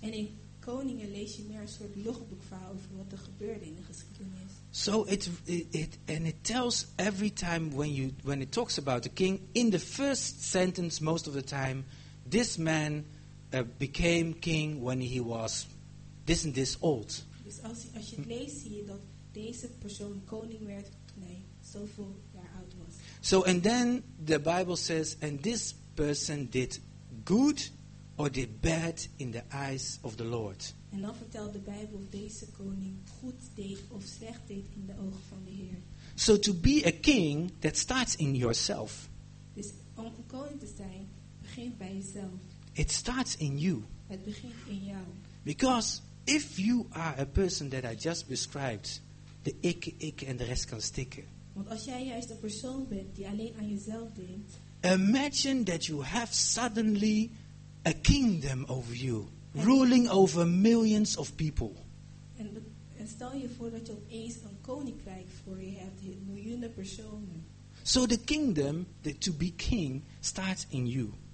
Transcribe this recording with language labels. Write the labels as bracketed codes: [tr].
[nl] En in koningen lees je meer een soort logboek verhaal over wat er gebeurde in de geschiedenis. [en] So it tells every time when it talks about the king in the first sentence most of the time, this man became king when he was this and this old. [nl] Dus als je het leest zie je dat deze persoon koning werd toen hij zoveel jaar oud was. [en] So and then the Bible says, and this person did good or did bad in the eyes of the Lord. [nl] En dan vertelt de Bijbel of deze koning goed deed of slecht deed in de ogen van de Heer. [en] So to be a king, that starts in yourself. [nl] Dus om een koning te zijn, begint bij jezelf. [en] It starts in you. [nl] Het begint in jou. [en] Because if you are a person that I just described, the [nl] ik en de rest kan stikken. Want als jij juist de persoon bent die alleen aan jezelf denkt. [en] Imagine that you have suddenly a kingdom over you, ruling over millions of people. [nl] En stel je voor dat je opeens een koninkrijk voor je hebt, miljoenen personen. [en] So the kingdom, to be king, starts in you.